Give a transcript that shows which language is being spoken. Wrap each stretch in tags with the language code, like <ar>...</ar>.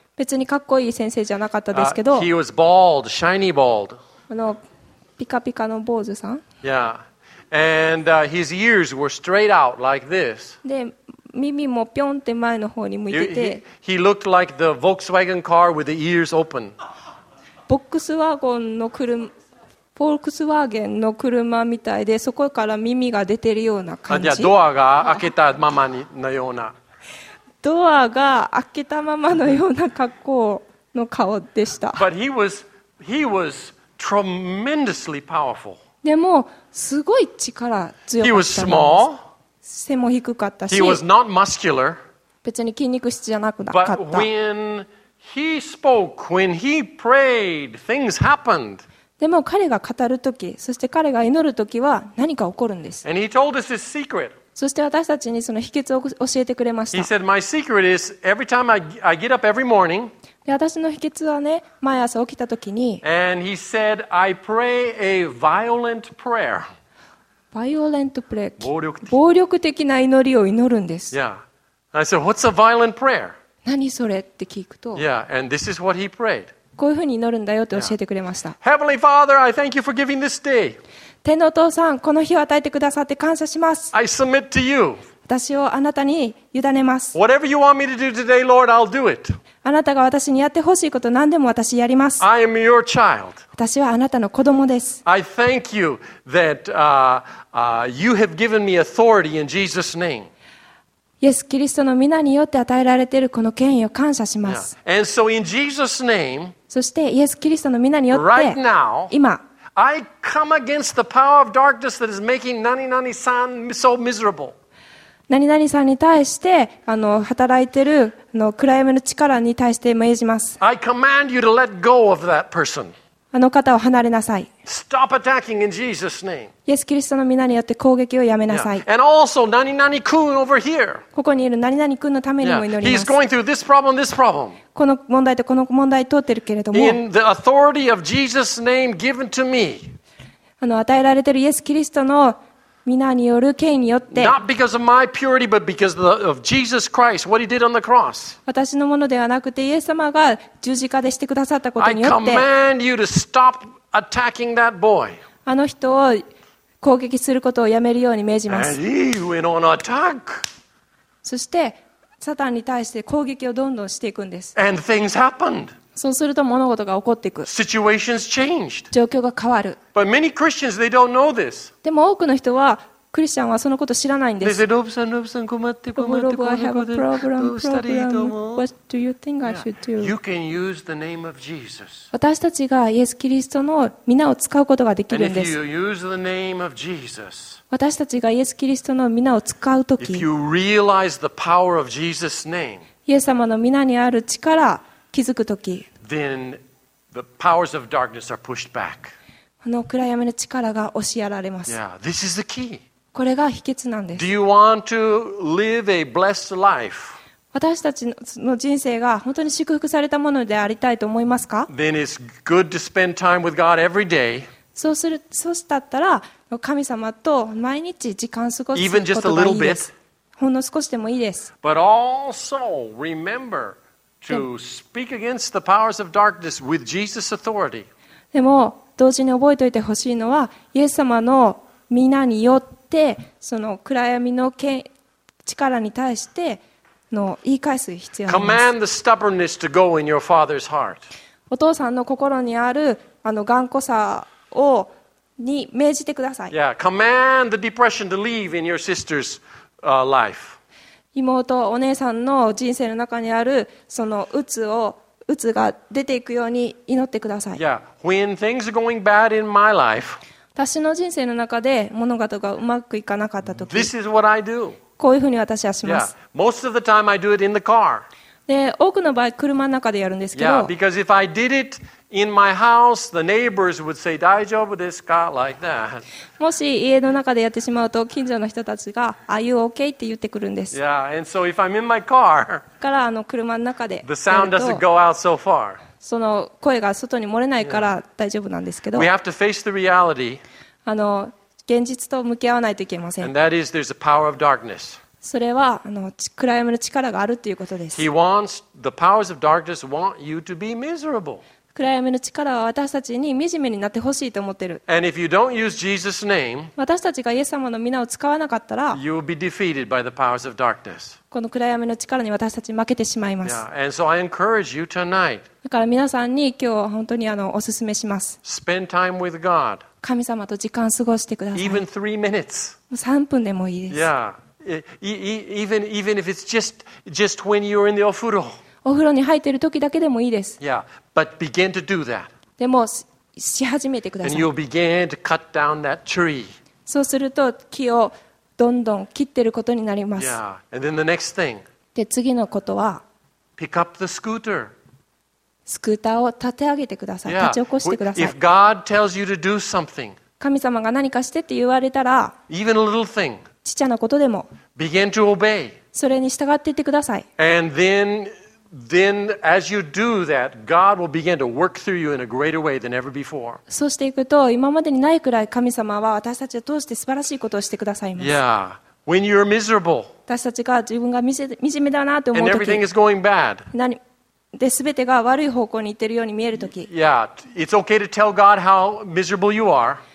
<ja>別にかっこいい先生じゃなかったですけど。</ja> <en>He was bald, shiny bald.</en> <ja>ピカピカの坊主さん。</ja> <en>Yeah, and his ears were straight out like this.</en> <ja>で、耳もピョンって前の方に向いてて。</ja> <en>He looked like the Volkswagen car with the ears open.</en> <ja>ボックスワゴンの車、フォルクスワーゲンの車みたいで、そこから耳が出てるような感じ。あ、ドアが開けたままにのような、ドアが開けたままのような格好の顔でした。</ja> <en>But he was tremendously powerful.</en> <ja>でもすごい力強かったの。</ja> <en>He was small.</en> <ja>背も低かったし。</ja> <en>He was not muscular.</en> <ja>別に筋肉質じゃなくなかった。</ja> <en>But when he spoke, when he prayed, things happened.</en> <ja>でも彼が語るとき、そして彼が祈るときは何か起こるんです。</ja> <en>And he told us his secret.</en> <ja>そして私たちにその秘訣を教えてくれました。</ja> <en>He said, "My secret is every time I get up every morning."</en> <ja>で、私の秘訣はね、毎朝起きたときに。</ja> <en>And he said, "I pray a violent prayer." Violent prayer.</en> <ja>暴力的な祈りを祈るんです。</ja> <en>Yeah. I said, "What's a violent prayer?"</en> <ja>何それって聞くと。</ja> <en>Yeah, and this is what he prayed.</en> <ja>こういうふうに祈るんだよって教えてくれました。</ja> <en>Yeah. Heavenly Father, I thank you for giving this day.</en> <ja>天のお父さん、この日を与えてくださって感謝します。</ja> <en>I submit to you.</en> <ja>私をあなたに委ねます。</ja> <en>Whatever you want me to do today, Lord, I'll do it.</en> <ja>あなたが私にやってほしいこと何でも私やります。</ja> <en>I am your child.</en> <ja>私はあなたの子供です。</ja> <en>I thank you that you have given me authority in Jesus' name.</en> <ja>イエス・キリストの皆によって与えられているこの権威を感謝します。</ja> <en>Yeah. And so、in Jesus' name,</en> <ja>そしてイエス・キリストの皆によって、</ja> <en>right、now,</en> <ja>今、</ja> <en>I come against the power of darkness that is making Nani-Nani san so miserable.</en> <ja>Nani-Nani さんに対して働いているあの暗闇の力に対して命じます。</ja> <en>I command you to let go of that person.</en> <ja>あの方を離れなさい。</ja> <en>Stop attacking in Jesus' name.</en> <ja>イエス・キリストの皆によって攻撃をやめなさい。</ja> <en>Yeah. And also, Nani-Nani-kun over here.</en> <ja>ここにいる Nani-Nani-kun のためにも祈ります。</ja> <en>Yeah. He's going through this problem, this problem.</en> <ja>この問題とこの問題通ってるけれども。</ja> <en>In the authority of Jesus' name given to me.</en> <ja>与えられているイエス・キリストの皆による権威によって。</ja> <en>Not because of my purity, but because of Jesus Christ, what he did on the cross.</en> <ja>私のものではなくて、イエス様が十字架でしてくださったことによって。</ja> <en>I command you to stop attacking that boy.</en> <ja>あの人を攻撃することをやめるように命じます。</ja> <en>And he went on attack.</en> <ja>そして、サタンに対して攻撃をどんどんしていくんです。</ja> <en>And things happened.</en> <ja>そうすると物事が起こっていく。</ja> <en>Situations changed.</en> <ja>状況が変わる。</ja> <en>But many Christians, they don't know this.</en> <ja>でも多くの人は、クリスチャンはそのこと知らないんです。</ja> <en>They say, Rob さん、Rob さん、</en> <ja>困って、</ja> <en>I have a problem. What do you think I should do? You can use the name of Jesus.</en> <ja>私たちがイエス・キリストの皆を使うことができるんです。</ja> <en>And if you use the name of Jesus,</en> <ja>私たちがイエス・キリストの皆を使うとき、</ja> <en>if you realize the power of Jesus' name,</en> <ja>イエス様の皆にある力、気づくとき、</ja> <en>then the powers of darkness are pushed back.</en> <ja>この暗闇の力が押しやられます。</ja> <en>Yeah, this is the key.</en> <ja>これが秘訣なんです。</ja> <en>Do you want to live a blessed life?</en> <ja>私たちの人生が本当に祝福されたものでありたいと思いますか?</ja> <en>Then it's good to spend time with God every day.</en> <ja>そうしたったら、神様と毎日時間過ごすことがいいです。</ja> <en>Even just a little bit.</en> <ja>ほんの少しでもいいです。</ja> <en>But also remember. To speak against the powers of darkness with Jesus' authority.</en> <ja>でも同時に覚えておいてほしいのは、イエス様の御名によってその暗闇の力に対しての言い返す必要があります。</ja> <en>Command the stubbornness to go in your father's heart.</en> <ja>お父さんの心にある頑固さをに命じてください。</ja> <en>Yeah, command the depression to leave in your sister's life.</en> <ja>妹お姉さんの人生の中にあるその鬱が出ていくように祈ってください。</ja> <en>Yeah. When things are going bad in my life,</en> <ja>私の人生の中で物事がうまくいかなかった時、</ja> <en>This is what I do.</en> <ja>こういうふうに私はします。</ja> <en>Yeah. Most of the time I do it in the car.</en> <ja>で多くの場合車の中でやるんですけど、</ja> <en>Yeah. Because if I did it in my house, the neighbors would say,</en> <ja>大丈夫ですか?</ja> <en>Like that.</en> <ja>もし家の中でやってしまうと、近所の人たちが、</ja> <en>Are you okay?</en> <ja>って言ってくるんです。</ja> <en>Yeah, and so if I'm in my car,</en> <ja>から車の中で、</ja> <en>the sound doesn't go out so far.</en> <ja>その声が外に漏れないから大丈夫なんですけど、</ja> <en>we have to face the reality.</en> <ja>現実と向き合わないといけません。</ja> <en>And that is, there's a power of darkness.</en> <ja>それは暗闇の力があるということです。</ja> <en>He wants, the powers of darkness want you to be miserable.</en> <ja>暗闇の力は私たちに惨めになってほしいと思ってる。</ja> <en>And if you don't use Jesus name,</en> <ja>私たちがイエス様の名を使わなかったら</ja> <en>you will be defeated by the powers of darkness.</en> <ja>この暗闇の力に私たち負けてしまいます。</ja> <en>Yeah, and so I encourage you tonight,</en> <ja>だから皆さんに今日本当にお勧めします。</ja> <en>Spend time with God.</en> <ja>神様と時間過ごしてください。</ja> <en>Even 3 minutes.</en> <ja>3分でもいいです。</ja> <en>Yeah. Even if it's just when you're in the ofuro.</en> <ja>お風呂に入っている時だけでもいいです。</ja> <en>Yeah, but begin to do that.</en> <ja>でも、し始めてください。</ja> <en>And you'll begin to cut down that tree.</en> <ja>そうすると木をどんどん切っていることになります。</ja> <en>Yeah. And then the next thing.</en> <ja>で、次のことは、</ja> <en>Pick up the scooter.</en> <ja>スクーターを立て上げてください。</ja> <en>Yeah.</en> <ja>立ち起こしてください。</ja> <en>If God tells you to do something,</en> <ja>神様が何かしてって言われたら、</ja> <en>Even a little thing.</en> <ja>ちっちゃなことでも、</ja> <en>Begin to obey.</en> <ja>それに従っていってください。</ja> <en>And then as you do that, God will begin to work through you in a greater way than ever before.</en> <ja>そうしていくと、今までにないくらい神様は私たちを通して素晴らしいことをしてくださいます。</ja> <en>Yeah. When you're miserable,</en> <ja>私たちが自分が惨めだなと思うとき、</ja> <en>and everything is going bad,</en> <ja>何で全てが悪い方向に行っているように見えるとき、</ja> <en>yeah, it's okay to tell God how miserable you are.</en>